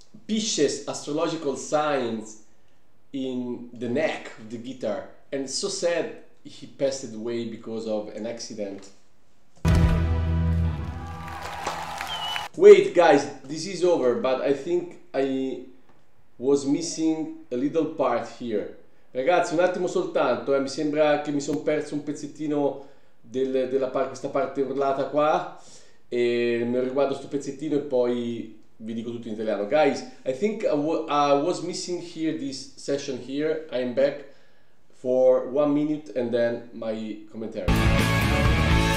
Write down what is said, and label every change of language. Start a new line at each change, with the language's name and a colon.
English: Pisces astrological signs in the neck of the guitar. And so sad he passed away because of an accident. Wait, guys, this is over, but I think I was missing a little part here.
Italian: Ragazzi, un attimo soltanto, mi sembra che mi sono perso un pezzettino questa parte urlata qua, e mi riguardo sto pezzettino e poi vi dico tutto in italiano.
English: Guys, I think I was missing here this session here. I'm back for 1 minute and then my commentary.